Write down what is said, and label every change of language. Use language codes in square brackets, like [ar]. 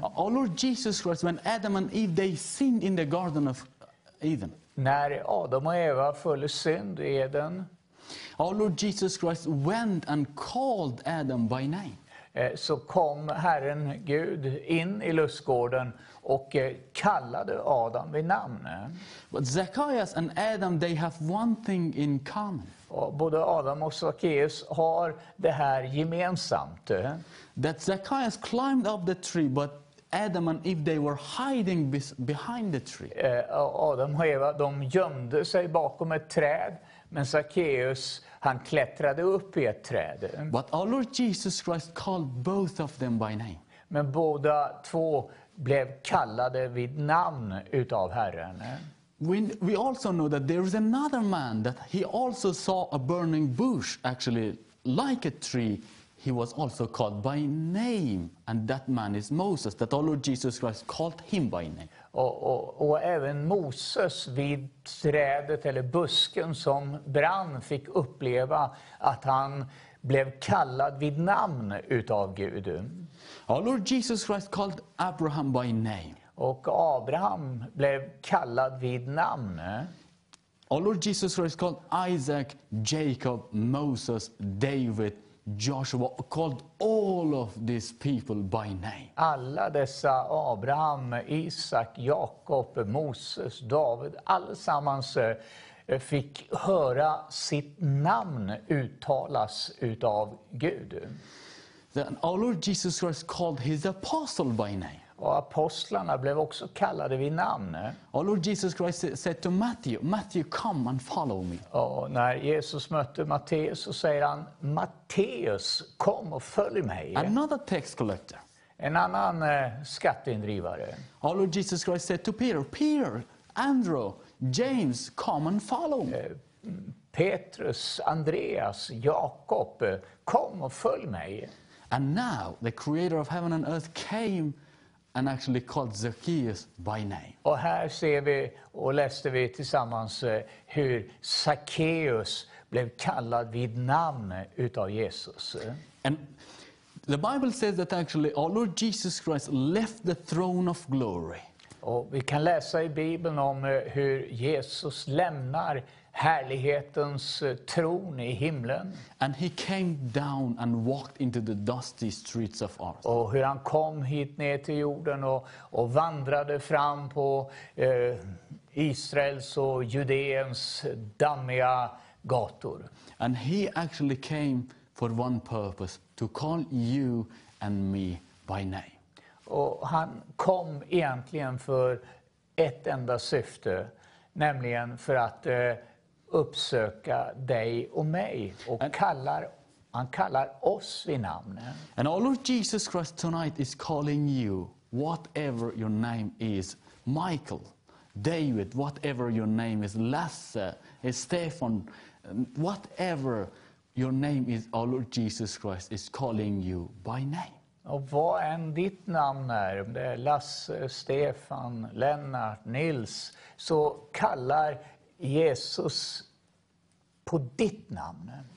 [en] Our Lord Jesus Christ, when Adam and Eve they sinned in the Garden of Eden. [sv] När Adam och Eva föll i synd i Eden. [en] Our Lord Jesus Christ went and called Adam by name. [sv] Så kom Herren Gud in i lustgården och kallade Adam vid namn. [en] But Zacchaeus and Adam they have one thing in common. [sv] Både Adam och Zacchaeus har det här gemensamt. [en] That Zacchaeus climbed up the tree but Adam and Eve they were hiding behind the tree. [sv] Adam och Eva de gömde sig bakom ett träd. Men Zacchaeus, han klättrade upp i ett träd. [en] But our Lord Jesus Christ called both of them by name. [sv] Men båda två blev kallade vid namn utav Herren. [en] We also know that there is another man that he also saw a burning bush, actually like a tree. He was also called by name, and that man is Moses. That our Lord Jesus Christ called him by name. [sv] Och även Moses vid trädet eller busken som brann fick uppleva att han blev kallad vid namn utav Gud. [en] Our Lord Jesus Christ called Abraham by name. [sv] Och Abraham blev kallad vid namn. [en] Our Lord Jesus Christ called Isaac, Jacob, Moses, David, Joshua, called all of these people by name. [sv] Alla dessa Abraham, Isak, Jakob, Moses, David, allsammans fick höra sitt namn uttalas utav Gud. [en] Then our Lord Jesus Christ called his apostle by name. [sv] Och apostlarna blev också kallade vid namn. [en] Our Lord Jesus Christ said to Matthew, Matthew, come and follow me. [sv] Och när Jesus mötte Matteus så säger han, Matteus, kom och följ mig. [en] Another tax collector. [sv] En annan skatteindrivare. [en] Our Lord Jesus Christ said to Peter, Peter, Andrew, James, come and follow me. [sv] Petrus, Andreas, Jakob, kom och följ mig. [en] And now the creator of heaven and earth came and actually called Zacchaeus by name. [sv] Och här ser vi och läste vi tillsammans hur Zacchaeus blev kallad vid namn utav Jesus. [en] And The Bible says that actually our Lord Jesus Christ left the throne of glory. [sv] Och vi kan läsa i Bibeln om hur Jesus lämnar härlighetens tron i himlen. [en] And he came down and walked into the dusty streets of earth. [sv] Och hur han kom hit ner till jorden och vandrade fram på Israels och Judeens dammiga gator. [en] And he actually came for one purpose, to call you and me by name. [sv] Och han kom egentligen för ett enda syfte, nämligen för att uppsöka dig och mig och han kallar oss vid namnen. [en] And our Lord Jesus Christ tonight is calling you, whatever your name is, Michael, David, whatever your name is, Lasse, Stefan, whatever your name is, our Lord Jesus Christ is calling you by name. [sv] Och vad än ditt namn är, om det är Lasse, Stefan, Lennart, Nils, så kallar Jesus på ditt namn.